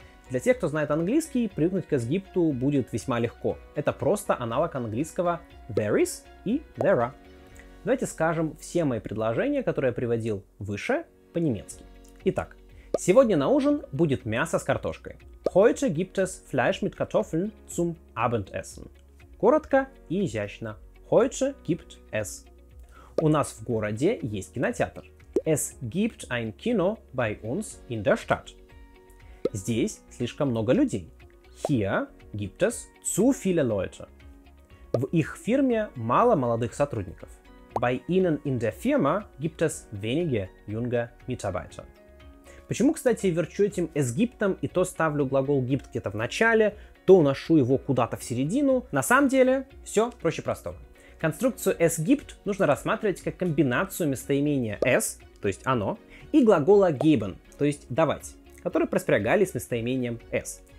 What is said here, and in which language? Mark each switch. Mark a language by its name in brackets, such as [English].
[Russian] Для тех, кто знает английский, привыкнуть к SGIPT будет весьма легко. Это просто аналог английского [English] there is [Russian] и [English] there are. [Russian] Давайте скажем все мои предложения, которые я приводил выше, по-немецки. Итак, сегодня на ужин будет мясо с картошкой. [German] Heute gibt es Fleisch mit Kartoffeln zum Abendessen. [Russian] Коротко и изящно. [German] Heute gibt es. [Russian] У нас в городе есть кинотеатр. [German] Es gibt ein Kino bei uns in der Stadt. [Russian] Здесь слишком много людей. [German] Hier gibt es zu viele Leute. [Russian] В их фирме мало молодых сотрудников. [German] Bei ihnen in der Firma gibt es wenige junge Mitarbeiter. [Russian] Почему, кстати, верчу этим SGIPT-ом и то ставлю глагол gibt где-то в начале, то уношу его куда-то в середину? На самом деле, все проще простого. Конструкцию SGIPT нужно рассматривать как комбинацию местоимения S, то есть оно, и глагола geben, то есть давать, который проспрягали с местоимением S.